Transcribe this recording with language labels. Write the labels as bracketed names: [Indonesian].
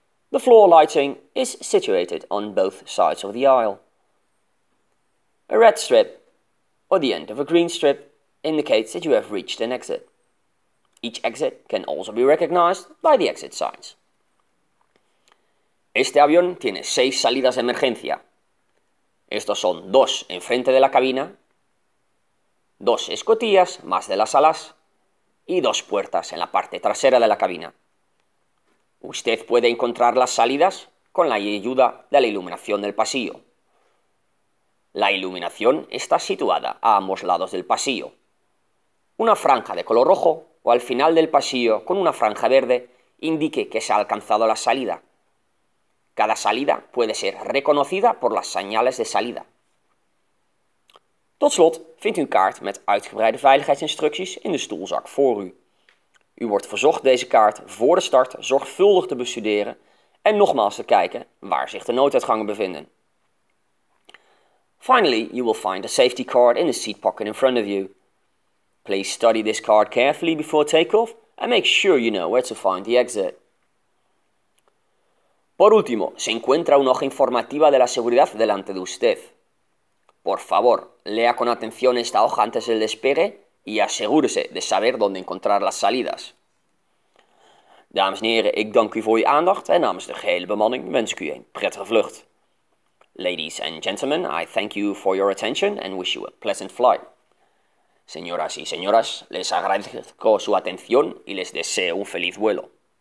[English] The floor lighting is situated on both sides of the aisle. A red strip or the end of a green strip indicates that you have reached an exit. Each exit can also be recognized by the exit signs. [Spanish] Este avión tiene 6 salidas de emergencia. Estos son 2 enfrente de la cabina, 2 escotillas más de las alas y 2 puertas en la parte trasera de la cabina. Usted puede encontrar las salidas con la ayuda de la iluminación del pasillo. La iluminación está situada a ambos lados del pasillo. Una franja de color rojo o al final del pasillo con una franja verde indique que se ha alcanzado la salida. Cada salida puede ser reconocida por las señales de salida. [Dutch] Tot slot vindt u een kaart met uitgebreide veiligheidsinstructies in de stoelzak voor u. U wordt verzocht deze kaart voor de start zorgvuldig te bestuderen en nogmaals te kijken waar zich de nooduitgangen bevinden. [English] Finally, you will find a safety card in the seat pocket in front of you. Please study this card carefully before takeoff and make sure you know where to find the exit. [Spanish] Por último, se encuentra una hoja informativa de la seguridad delante de usted. Por favor, lea con atención esta hoja antes del despegue y asegúrese de saber dónde encontrar las salidas. [Dutch] Dames en heren, ik dank u voor uw aandacht en namens de gehele bemanning wens ik u een prettige vlucht. [English] Ladies and gentlemen, I thank you for your attention and wish you a pleasant flight. [Spanish] Señoras y señores, les agradezco su atención y les deseo un feliz vuelo.